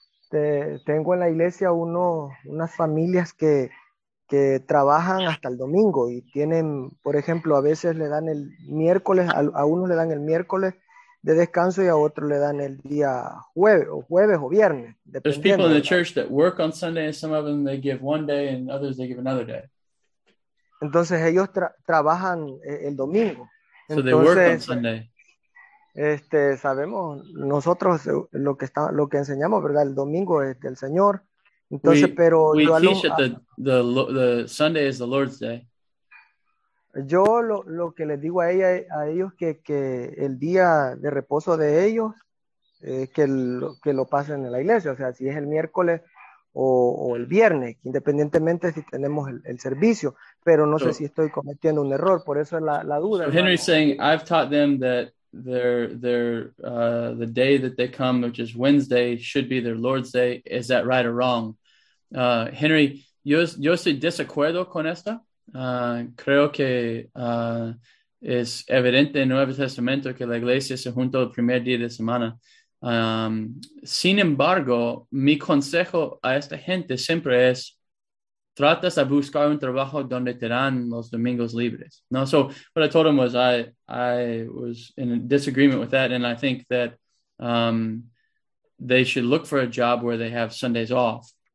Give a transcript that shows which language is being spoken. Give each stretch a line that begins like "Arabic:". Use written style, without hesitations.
Spanish: Tengo en la iglesia unas familias que trabajan hasta el domingo y tienen, por ejemplo, a veces le dan el miércoles, a unos le dan el miércoles de descanso y a otros le dan el día jueves o viernes.
English: There's people in the church that work on Sunday and some of them they give one day and others they give another day.
Spanish: Entonces ellos trabajan el domingo.
English: Entonces, so they work on Sunday.
Spanish: Sabemos nosotros lo que enseñamos, ¿verdad? El domingo es del Señor. Entonces,
English: the Sunday is the Lord's Day.
Spanish: Yo lo que les digo a ellos que el día de reposo de ellos que lo pasen en la iglesia, o sea, si es el miércoles o el viernes, independientemente si tenemos el servicio, pero no sé si estoy cometiendo un error, por eso es la duda.
English: So Henry's saying, I've taught them that the day that they come, which is Wednesday, should be their Lord's Day. Is that right or wrong? Henry,
Spanish: yo estoy desacuerdo con esto. Creo que es evidente en el Nuevo Testamento que la iglesia se junta el primer día de semana. Sin embargo, mi consejo a esta gente siempre es tratas de buscar un trabajo donde te dan los domingos libres.
English: No, so what I told him was I was in a disagreement with that, and I think that they should look for a job where they have Sundays off.